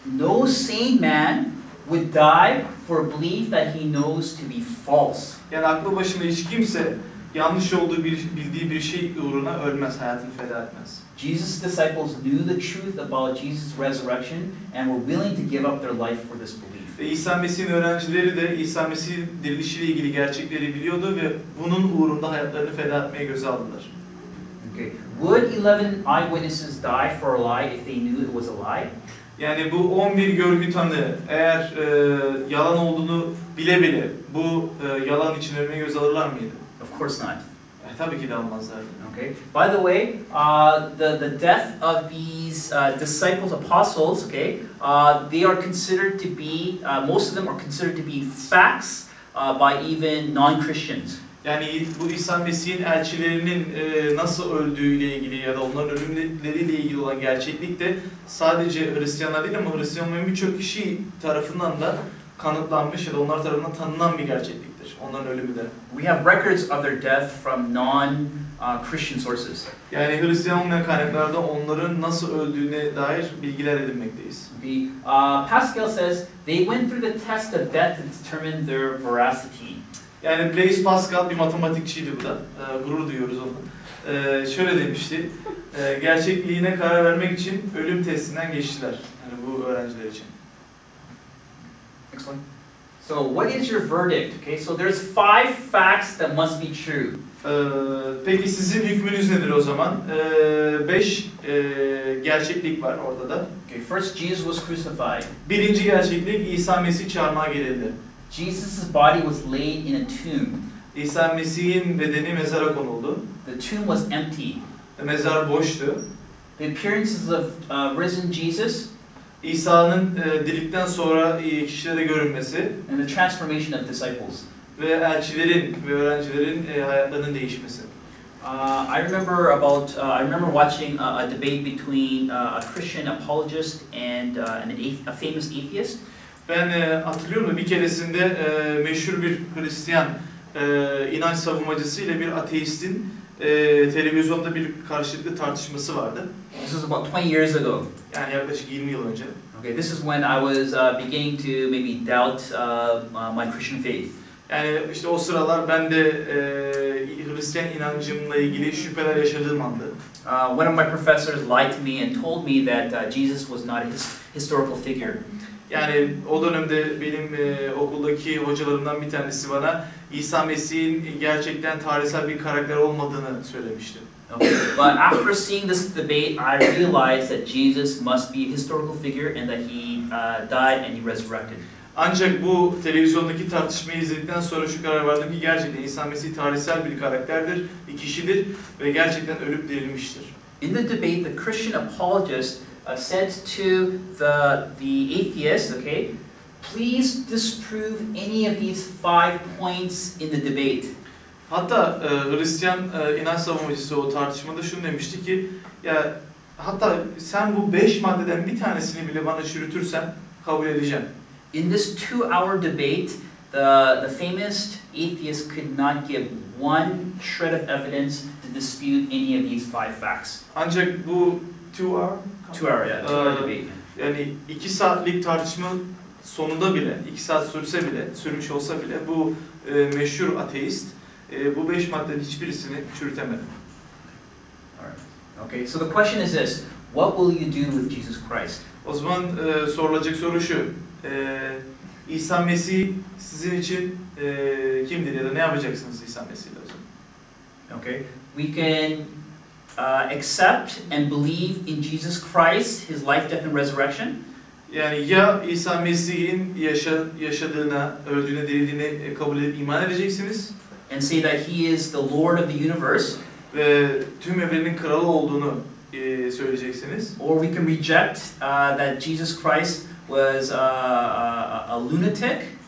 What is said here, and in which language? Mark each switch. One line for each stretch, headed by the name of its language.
English: No sane man would die for a belief that he knows to be false.
Turkish: Yani aklı başında hiç kimse yanlış olduğu bildiği bir şey uğruna ölmez, hayatını feda etmez.
English: Jesus' disciples knew the truth about Jesus' resurrection and were willing to give up their life for this belief.
Turkish: İsa Mesih'in öğrencileri de İsa Mesih dirilişiyle ilgili gerçekleri biliyordu ve bunun uğrunda hayatlarını feda etmeye göze aldılar.
English: Okay. Would 11 eyewitnesses die for a lie if they knew it was a lie?
Turkish: Yani bu 11 görgü tanığı eğer yalan olduğunu bile bu yalan için ölmeye göze alırlar mıydı?
English: Of course not.
Turkish: Tabii ki de almazlardı.
English: Okay. By the way, the death of these disciples, apostles, okay, they are considered to be, most of them are considered to be facts by even non-Christians.
Turkish: Yani bu İsa Mesih'in elçilerinin nasıl öldüğüyle ilgili ya da onların ölümleriyle ilgili olan gerçeklik de sadece Hristiyanlar değil ama Hristiyanların birçok kişi tarafından da kanıtlanmış ya da onlar tarafından tanınan bir gerçeklik. Onların ölümü de.
English: We have records of their death from non-Christian sources.
Turkish: Yani Hristiyan kaynaklarda onların nasıl öldüğüne dair bilgiler edinmekteyiz.
English: Pascal says they went through the test of death to determine their veracity.
Turkish: Yani Blaise Pascal bir matematikçiydi bu da. Gurur duyuyoruz onu. Şöyle demişti. Gerçekliğine karar vermek için ölüm testinden geçtiler. Yani bu öğrenciler için.
English: Next one. So So what is your verdict? Okay, so there's five facts that must be true.
Turkish: Peki sizin hükmünüz nedir o zaman? Beş gerçeklik var orada da.
English: Okay, first Jesus was crucified.
Turkish: Birinci gerçeklik İsa Mesih çarmıha gerildi.
English: Jesus's body was laid in a tomb.
Turkish: İsa Mesih'in bedeni mezara konuldu.
English: The tomb was empty.
Turkish: Mezar boştu.
English: The appearances of risen Jesus.
Turkish: İsa'nın dirilikten sonra kişilere görünmesi.
English: And the transformation of disciples.
Turkish: Ve elçilerin ve öğrencilerin hayatlarının değişmesi.
English: I remember watching a debate between a Christian apologist and a famous atheist.
Turkish: Ben hatırlıyorum da bir keresinde meşhur bir Hristiyan inanç savunmacısı ile bir ateistin televizyonda bir karşılıklı tartışması vardı.
English: This was about 20 years ago.
Turkish: Yani yaklaşık 20 yıl önce.
English: Okay, this is when I was beginning to maybe doubt my Christian faith.
Turkish: Yani işte o sıralar ben de Hristiyan inancımla ilgili şüpheler yaşadığım andı.
English: One of my professors lied to me and told me that Jesus was not a historical figure.
Turkish: Yani o dönemde benim okuldaki hocalarımdan bir tanesi bana İsa Mesih'in gerçekten tarihsel bir karakter olmadığını söylemişti.
English: But after seeing this debate, I realized that Jesus must be a historical figure and that he died and he resurrected.
Turkish: Ancak bu televizyondaki tartışmayı izledikten sonra şu karar verdim ki gerçekten İsa Mesih tarihsel bir karakterdir, bir kişidir ve gerçekten ölüp dirilmiştir.
English: In the debate, the Christian apologist said to the atheist, okay, please disprove any of these five points in the debate.
Turkish: Hatta Hristiyan inanç savunucusu o tartışmada şunu demişti ki, ya hatta sen bu beş maddeden bir tanesini bile bana çürütürsen kabul edeceğim.
English: In this two-hour debate, the famous atheist could not give one shred of evidence to dispute any of these five facts.
Turkish: Ancak bu
English: two-hour debate.
Turkish: Yani 2 saatlik tartışma sonunda bile, 2 saat sürse bile, sürmüş olsa bile bu meşhur ateist bu 5 maddeden hiçbirisini çürütemedi.
English: All right. Okay, so the question is this: what will you do with Jesus Christ?
Turkish: O zaman sorulacak soru şu. İsa Mesih sizin için kimdir ya da ne yapacaksınız İsa Mesih'le o zaman?
English: Okay. We can accept and believe in Jesus Christ, his life, death and resurrection.
Turkish: Yani ya İsa Mesih'in yaşadığına, öldüğüne, dirildiğine kabul edip iman edeceksiniz.
English: And say that he is the Lord of the universe.
Turkish: Ve tüm evrenin kralı olduğunu söyleyeceksiniz.
English: Or we can reject that Jesus Christ was a lunatic.